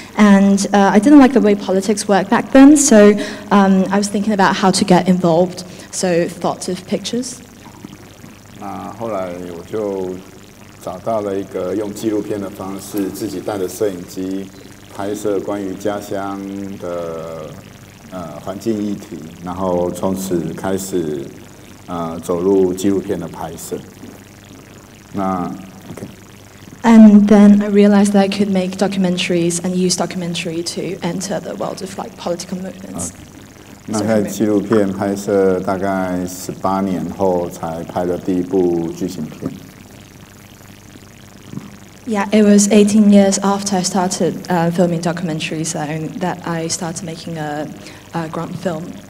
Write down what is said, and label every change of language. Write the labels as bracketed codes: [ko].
[en] And I didn't like the way politics worked back then. So I was thinking about how to get involved. So thought of pictures. [zh] 那后来我就找到了一个用纪录片的方式，自己带着摄影机拍摄关于家乡的环境议题，然后从此开始走入纪录片的拍摄。那 OK。 [en] And then I realized that I could make documentaries and use documentary to enter the world of like political movements.、 [zh] 那在纪录片拍摄大概18年后才拍了第一部剧情片。 [en] Yeah, it was 18 years after I started filming documentaries that I started making a grant film.